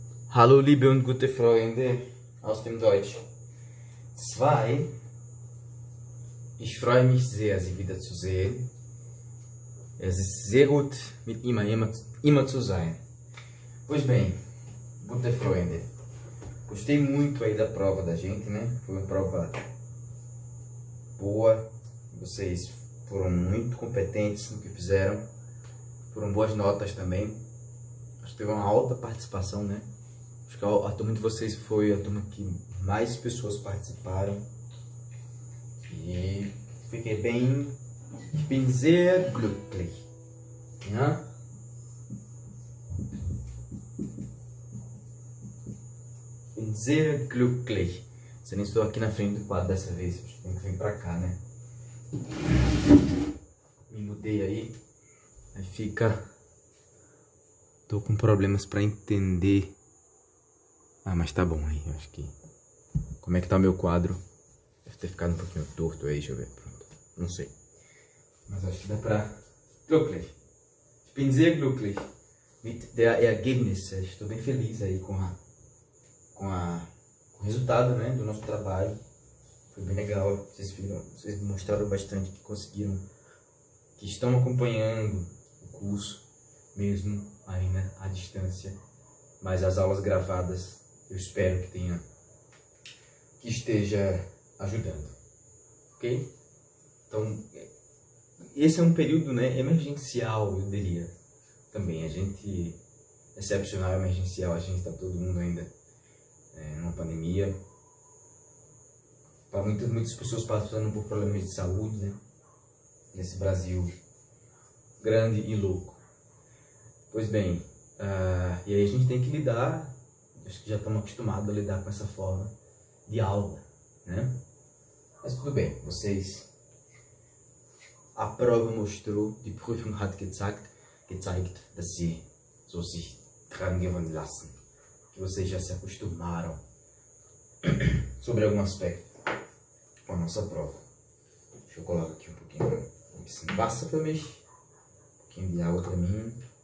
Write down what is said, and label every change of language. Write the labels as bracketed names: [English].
[German] Hallo liebe und gute Freunde aus dem Deutsch 2. Ich freue mich sehr, Sie wiederzusehen. Es ist sehr gut, mit Ihnen immer zu sein. [Portuguese] Pois bem, [German] gute Freunde, [Portuguese] gostei muito aí da prova da gente, né? Foi uma prova boa. Vocês foram muito competentes no que fizeram. Foram boas notas também. Acho que teve uma alta participação, né? Acho que a turma de vocês foi a turma que mais pessoas participaram. E fiquei bem. [German] Ich bin sehr glücklich. Ja? Bin sehr glücklich. [Portuguese] Você nem estou aqui na frente do quadro dessa vez. Acho que tem que vir pra cá, né? Me mudei aí. Aí fica. Tô com problemas pra entender. Ah, mas tá bom aí, acho que. Como é que tá o meu quadro? Deve ter ficado um pouquinho torto aí, deixa eu ver. Pronto. Não sei. Mas acho que dá pra. Glücklich. [German] Ich bin sehr glücklich mit der Ergebnisse. [Portuguese] Estou bem feliz aí com o resultado, né, do nosso trabalho. Foi bem legal. Vocês viram, vocês mostraram bastante que conseguiram, que estão acompanhando o curso, mesmo ainda à distância. Mas as aulas gravadas. Eu espero que tenha, que esteja ajudando, ok? Então, esse é um período, né, emergencial, eu diria. Também, a gente, excepcional, emergencial, a gente está todo mundo ainda numa pandemia. Para muitas pessoas passando por problemas de saúde, né? Nesse Brasil grande e louco. Pois bem, e aí a gente tem que lidar. Acho que já estamos acostumados a lidar com essa forma de aula, né? Mas tudo bem, vocês. A prova mostrou, [German] die Prüfung hat gezeigt, dass sie so sich dran gewöhnen lassen. [Portuguese] Que vocês já se acostumaram sobre algum aspecto com a nossa prova. Deixa eu colocar aqui um pouquinho de massa para mim, um pouquinho de água para mim.